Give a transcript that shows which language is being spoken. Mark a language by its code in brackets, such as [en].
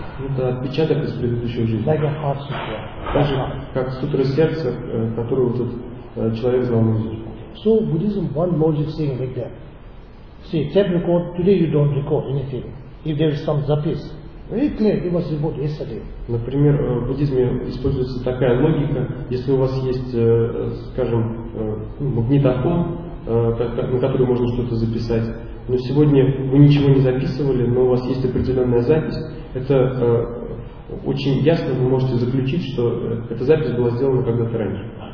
[ru] Это отпечаток из предыдущей жизни. [en] Like a heart sutra. [ru] Даже как сутра сердца, которую тут человек звал музыку. [en] So Buddhism one logic saying like that. See, tape record, today you don't record anything. If there is some zapis, very clear, it was recorded yesterday. [ru] Например, в буддизме используется такая логика, если у вас есть, скажем, магнитофон, на который можно что-то записать, но сегодня вы ничего не записывали, но у вас есть определенная запись. Это очень ясно, вы можете заключить, что эта запись была сделана когда-то раньше.